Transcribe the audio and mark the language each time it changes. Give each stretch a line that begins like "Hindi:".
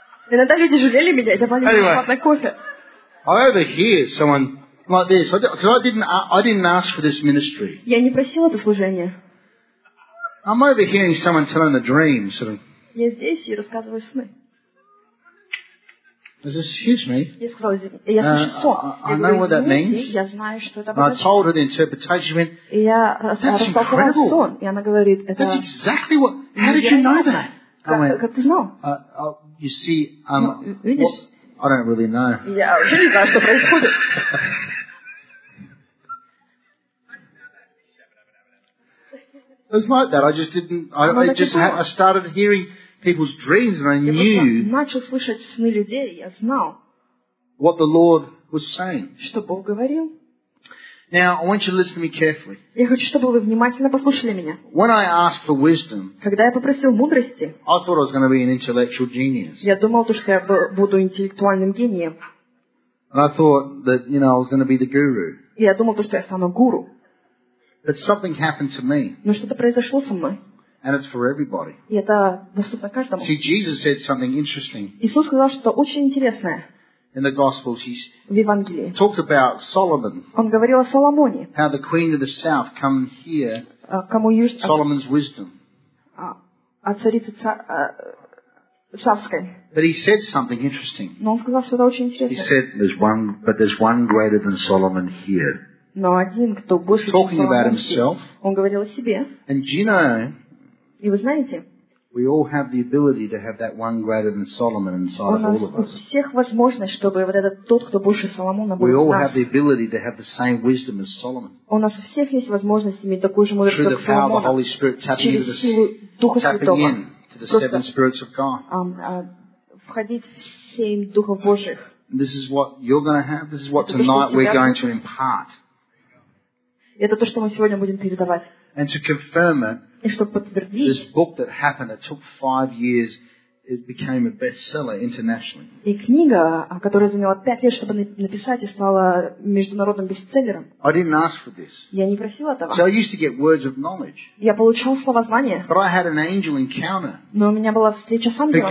Russian: Иногда люди жалели меня, я давали мне бесплатный кофе.
English: I didn't ask for this ministry.
Russian: Я не просил это служение.
English: I'm overhearing someone telling a dream, sort of.
Russian: Я здесь и рассказываю сны.
English: This is, excuse me.
Russian: Я сказал, я слышу сон.
English: I know what that means.
Russian: Я знаю, что это значит.
English: I told her the interpretation.
Russian: И я рассказывал про сон, и она говорит, это.
English: That's exactly what. How did you know that?
Russian: Как ты знал?
English: You see,
Russian: видишь,
English: I don't really know.
Russian: Я вообще не знаю, что происходит.
English: It's like that. I just didn't. I started hearing people's dreams, and I knew.
Russian: Начал слышать сны людей. Я знал.
English: What the Lord was saying.
Russian: Что Бог говорил.
English: Now I want you to listen to me carefully.
Russian: Я хочу, чтобы вы внимательно послушали меня.
English: When I asked for wisdom,
Russian: когда я попросил мудрости,
English: I thought I was going to be an intellectual genius.
Russian: Я думал, то, что я буду интеллектуальным гением.
English: And I thought that, you know, I was going to be the guru.
Russian: Я думал, то, что я стану гуру.
English: But something happened to me.
Russian: Но что-то произошло со мной.
English: And it's for everybody.
Russian: И это доступно каждому.
English: See, Jesus said something interesting.
Russian: Иисус сказал что-то очень интересное.
English: In the Gospels, he's
Russian: в Евангелии.
English: Talked about Solomon.
Russian: Он говорил о Соломоне.
English: How the queen of the south come here.
Russian: Кому
English: Solomon's wisdom.
Russian: А царица Шавской.
English: But he said something interesting.
Russian: Но он сказал что-то очень интересное.
English: He said, there's one greater than Solomon here.
Russian: Но один, кто больше, чем
English: Соломон. Talking about himself.
Russian: Он говорил о себе.
English: And you know.
Russian: И вы знаете.
English: We all have the ability to have that one greater than Solomon inside of all of us.
Russian: У нас всех возможность, чтобы вот этот тот, кто больше Соломона, был.
English: We all have the ability to have the same wisdom as Solomon.
Russian: У нас у всех есть возможность иметь такую же мудрость, как Соломон.
English: Through the power of the Holy Spirit tapping into the seven spirits of God.
Russian: Входить в семь духов Божьих.
English: This is what you're going to have. This is what tonight we're going to impart.
Russian: Это то, что мы сегодня будем передавать.
English: And to confirm it.
Russian: И чтобы подтвердить,
English: this book that happened, it took 5 years, it became a bestseller internationally.
Russian: И книга, которая заняла 5 лет, чтобы написать, и стала международным бестселлером.
English: I didn't ask for this.
Russian: Я не просила этого.
English: So I used to get words of knowledge.
Russian: Я получал слова знания.
English: But I had an angel encounter.
Russian: Но у меня была встреча с ангелом.